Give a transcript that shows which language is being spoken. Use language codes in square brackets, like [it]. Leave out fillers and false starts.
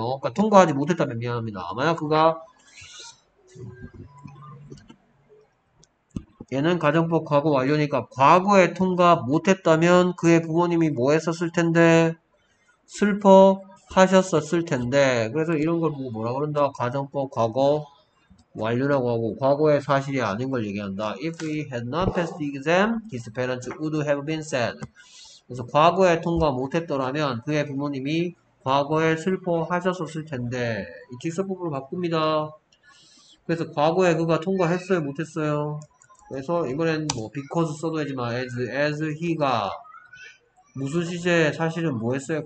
[ko] 그러니까 통과하지 못했다면 미안합니다. 만약 그가, 얘는 가정법 과거 완료니까 과거에 통과 못했다면 그의 부모님이 뭐 했었을 텐데, 슬퍼하셨었을 텐데, 그래서 이런 걸 보고 뭐라 그런다? 가정법 과거 완료라고 하고, 과거의 사실이 아닌 걸 얘기한다. [en] If he had not passed the exam, his parents would have been sad. [ko] 그래서 과거에 통과 못했더라면 그의 부모님이 과거에 슬퍼하셨었을 텐데 이 직설법으로 바꿉니다. 그래서 과거에 그가 통과했어요 못했어요? 그래서 이번엔 뭐 because 써도 되지만 as he가 무슨 시제에 사실은 뭐 했어요?